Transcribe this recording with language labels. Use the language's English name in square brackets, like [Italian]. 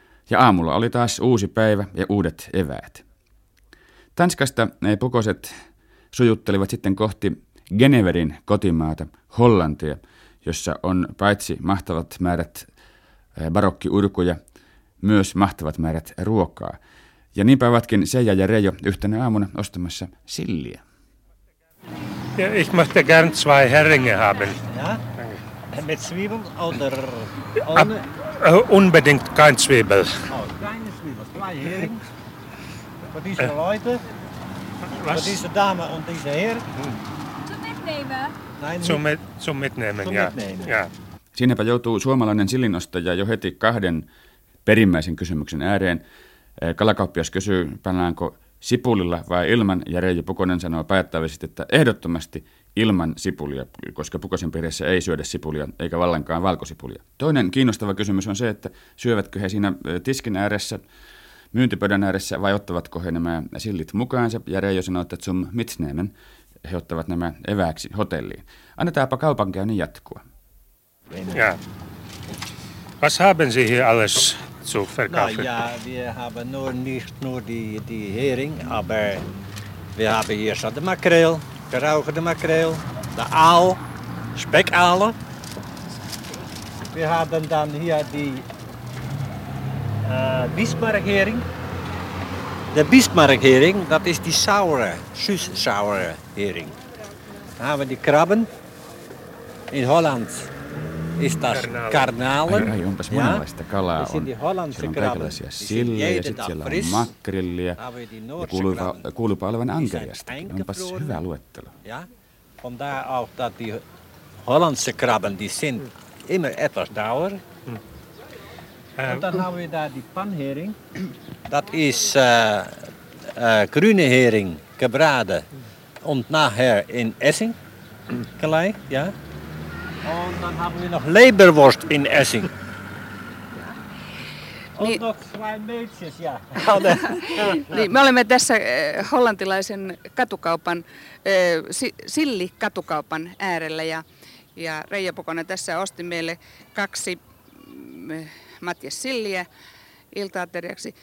[Finnish] Ja aamulla oli taas uusi päivä ja uudet eväät. Tanskasta ne pukoset sujuttelivat sitten kohti Geneverin kotimaata, Hollantia, jossa on paitsi mahtavat määrät barokkiurkuja, myös mahtavat määrät ruokaa. Ja niinpä ovatkin Seija ja Reijo yhtenä aamuna ostamassa silliä. [German] Ja ich möchte gern zwei Heringe haben. Ja? Mit Zwiebel oder ohne? Unbedingt kein Zwiebel. Oh, keine Zwiebel, zwei Heringe. Für diese Leute, was? Für diese Dame und diese Herr. Zum Mitnehmen. Nein, zum Mitnehmen, ja. [Finnish] Siinäpä joutuu suomalainen sillinostaja jo heti 2 perimmäisen kysymyksen ääreen. Kalakauppias kysyy, pannaanko sipulilla vai ilman, ja Reijo Pukonen sanoo päättävästi, että ehdottomasti ilman sipulia, koska Pukosen perheessä ei syödä sipulia eikä vallankaan valkosipulia. Toinen kiinnostava kysymys on se, että syövätkö he siinä tiskin ääressä, myyntipöydän ääressä, vai ottavatko he nämä sillit mukaansa, ja Reijo sanoo, että [German] zum mitnehmen, [Finnish] he ottavat nämä evääksi hotelliin. Annetaanpa kaupankäynnin jatkua. [German] Ja. Was haben Sie hier alles zu verkaufen? Na ja, wir haben nicht nur die Hering, aber wir haben hier schon die Makrel, gerauchte Makrel, der Aal, Speckaale. Wir haben dann hier die Bismarck-Hering. Der Bismarck-Hering, das ist die saure, süß-saure Hering. Dann haben wir die Krabben in Holland. Ist das Garnelen? [Finnish] Ai, onpas monenlaista kalaa on. Siellä on kaikenlaisia sillejä ja sitten siellä on makrillia. Ja kuuluipa olevan ankeriasta. Onpas hyvä luettelo. [German] Ja, von daher auch, dass die hollandse krabben, die sind immer etwas dauer. Und dann haben wir da die panhering. Das ist grüne hering, gebraden. Und nachher in Essing gleich, ja. Und dann haben wir noch Leberwurst in Essing. Und noch 2 Mädchen, ja. [Finnish] Niin, me olemme tässä hollantilaisen katukaupan, sillikatukaupan äärellä. Ja Reijo Pukonen tässä osti meille 2 Matias Silliä ilta-ateriaksi.